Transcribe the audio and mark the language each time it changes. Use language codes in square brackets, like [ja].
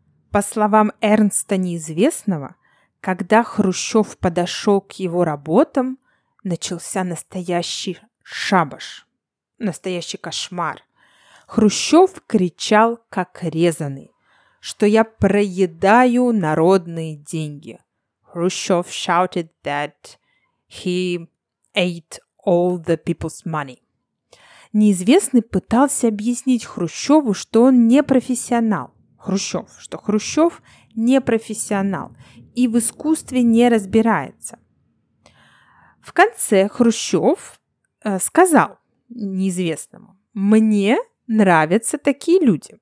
[ru] По словам Эрнста Неизвестного, когда Хрущев подошел к его работам, начался настоящий шабаш, настоящий кошмар. Хрущев кричал, как резанный, что я проедаю народные деньги. [en] Хрущев shouted that he ate all the people's money. [ru] Неизвестный пытался объяснить Хрущеву, что он не профессионал. Хрущев не профессионал и в искусстве не разбирается. В конце Хрущев сказал Неизвестному: «Мне нравятся такие люди.